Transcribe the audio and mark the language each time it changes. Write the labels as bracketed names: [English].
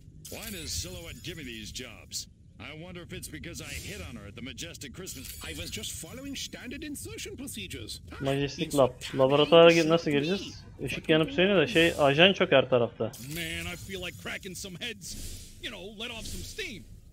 [English] Why does Silhouette give me these jobs? I wonder if it's because I hit on her at the Majestic Christmas. I was just following standard insertion procedures. Majestic Lab. [Turkish] Laboratuvara nasıl gireceğiz? Işık yanıp söyle de şey, ajan çok her tarafta. [English] Man, I feel like cracking some heads. You know, let off some steam.